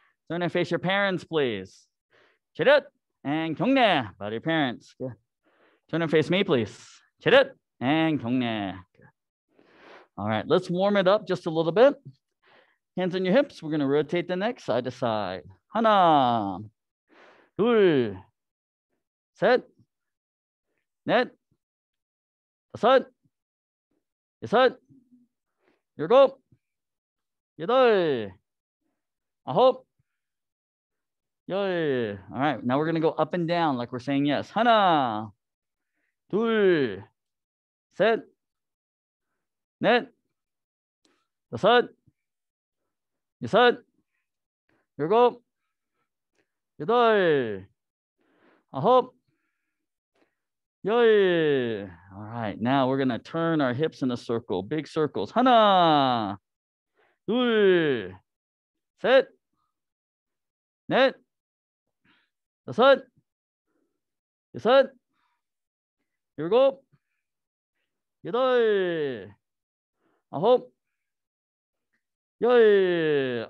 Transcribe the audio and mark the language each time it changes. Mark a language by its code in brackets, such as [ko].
[en] Turn and face your parents, please. 차렷, and 경례, bow to your parents. Good. Turn and face me, please. 차렷, and 경례. All right, let's warm it up just a little bit. Hands on your hips. We're going to rotate the neck side to side. [ko] 하나, 둘, 셋, 넷, 다섯, 여섯, 일곱, 여덟, 아홉, 열. [en] All right, now we're going to go up and down like we're saying yes. [ko] 하나, 둘, 셋, 넷, 다섯, 여섯, 일곱, 여덟, 아홉, 열. [en] All right, now we're going to turn our hips in a circle, big circles. [ko] 하나, 둘, 셋, 넷, 다섯, 여섯, 일곱, 여덟, 아홉, 열.